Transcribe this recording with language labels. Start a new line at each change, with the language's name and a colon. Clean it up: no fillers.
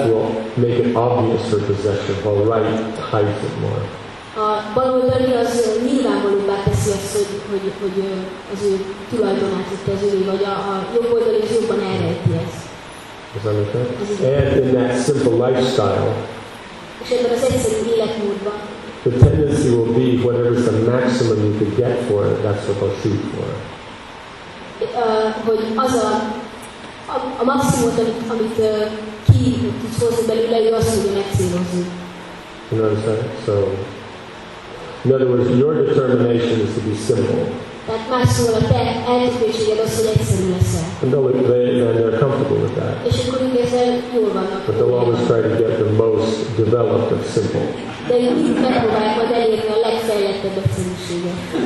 Hungarian: oldali.
English: Left will make it obvious her possession, while right hides it more.
Hungarian: A bal oldali az nyilvánvalóbbá teszi azt, hogy az ő tulajdonát kezeli, vagy a jobb oldali az jobban elrejti ezt.
English: Does that make sense? And in that simple lifestyle,
Hungarian: és ebben az egyszerű életmódban,
English: the tendency will be whatever is the maximum you could get for it, that's what they'll shoot for.
Hungarian: Hogy az a maximumot, amit ki tudsz hozni belőle, ő azt tudja megcélozni.
English: You know what I'm saying? So, in other words, your determination is to be simple.
Hungarian: Tehát más szóval a te eltökéséged az, hogy egyszerű leszel.
English: And they'll play it and they're comfortable with that.
Hungarian: És akkor ugye ezzel jól vannak.
English: But they'll always try to get the most developed of simple.
Hungarian: De így megpróbálják majd elérni a legfejlettebb egyszerűséget.